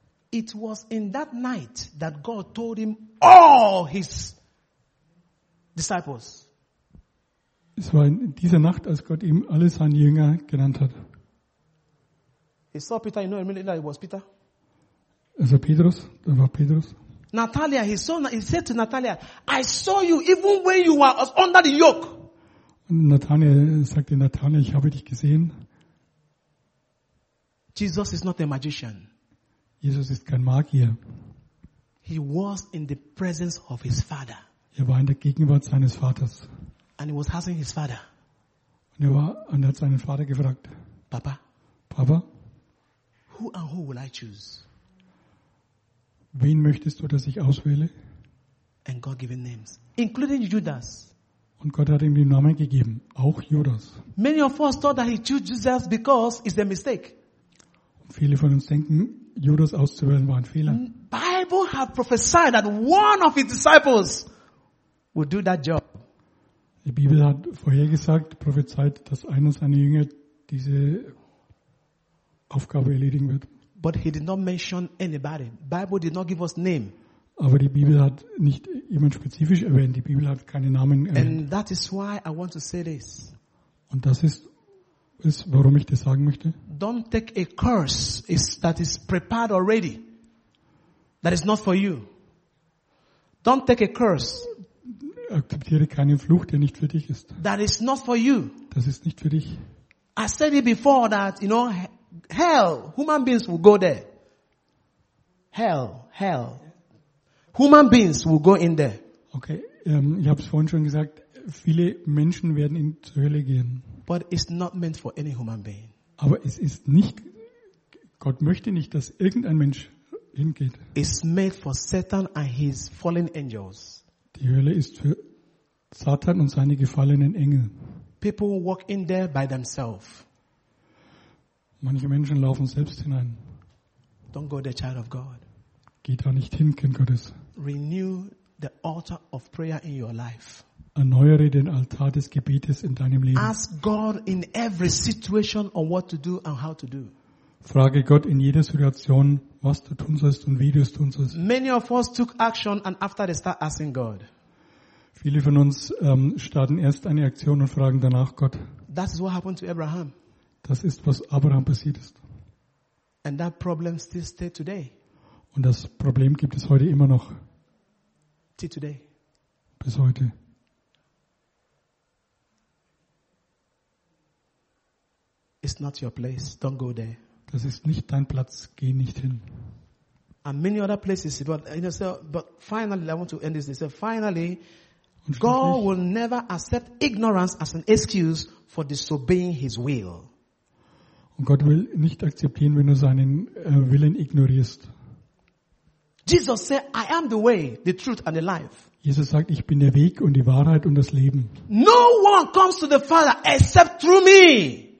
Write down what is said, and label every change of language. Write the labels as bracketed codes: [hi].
[en] It was in that night that God told him all his disciples. [de] Es war in dieser Nacht, als Gott ihm alle seine Jünger genannt hat. [en] He saw Peter, you know, immediately that it was Peter. [de] Also Petrus, das war Petrus. [en] Natalia, he said to Natalia, I saw you even when you were under the yoke. [de] Und Natalia sagte, Natalia, ich habe dich gesehen. [en] Jesus is not a magician. [de] Jesus ist kein Magier. [en] He was in the presence of his father. [de] Er war in der Gegenwart seines Vaters. [en] And he was asking his father. [de] Und er hat seinen Vater gefragt. [en] Papa. [de] Papa. [en] Who and who will I choose? [de] Wen möchtest du, dass ich auswähle? [en] And God gave him names, including Judas. [de] Und Gott hat ihm den Namen gegeben, auch Judas. [en] Many of us thought that he chose Jesus because it's a mistake. [de] Und viele von uns denken, Judas auszuwählen war ein Fehler. [en] Bible has prophesied that one of his disciples would do that job. [de] Die Bibel hat vorhergesagt, prophezeit, dass einer seiner Jünger diese Aufgabe erledigen wird. [en] But he did not mention anybody. Bible did not give us name. [de] Aber die Bibel hat nicht jemand spezifisch erwähnt. Die Bibel hat keine Namen erwähnt. [en] And that is why I want to say this. [de] Und das ist, warum ich das sagen möchte. [en] Don't take a curse that is prepared already. That is not for you. Don't take a curse. [de] Akzeptiere keinen Fluch, der nicht für dich ist. [en] That is not for you. [de] Das ist nicht für dich. [en] I said it before that, you know, hell, human beings will go there. Hell. Human beings will go in there. [de] Okay, ich habe es vorhin schon gesagt, viele Menschen werden in zur Hölle gehen. [en] But it's not meant for any human being. [de] Aber es ist nicht, Gott möchte nicht, dass irgendein Mensch hingeht. [en] It's made for Satan and his fallen angels. [de] Die Hölle ist für Satan und seine gefallenen Engel. [en] People walk in there by themselves. [de] Manche Menschen laufen selbst hinein. [en] Don't go there, child of God. [de] Geh da nicht hin, Kind Gottes. [en] Renew the altar of prayer in your life. [de] Erneuere den Altar des Gebetes in deinem Leben. [en] Ask God in every situation on what to do and how to do. [de] Frage Gott in jeder Situation, was du tun sollst und wie du es tun sollst. [en] Many of us took action and after they start asking God. [de] Viele von uns starten erst eine Aktion und fragen danach Gott. [en] That is what happened to Abraham. [de] Das ist, was Abraham passiert ist. [en] And that problem still stays today. [de] Und das Problem gibt es heute immer noch. [en] Till today. [de] Bis heute. [en] It's not your place. Don't go there. [de] Das ist nicht dein Platz. Geh nicht hin. [en] And many other places, but you know, but finally, I want to end this. Finally, God will never accept ignorance as an excuse for disobeying His will. [de] Und Gott will nicht akzeptieren, wenn du seinen Willen ignorierst. [en] Jesus said, "I am the way, the truth, and the life." [de] Jesus sagt, ich bin der Weg und die Wahrheit und das Leben. [en] No one comes to the Father except through me.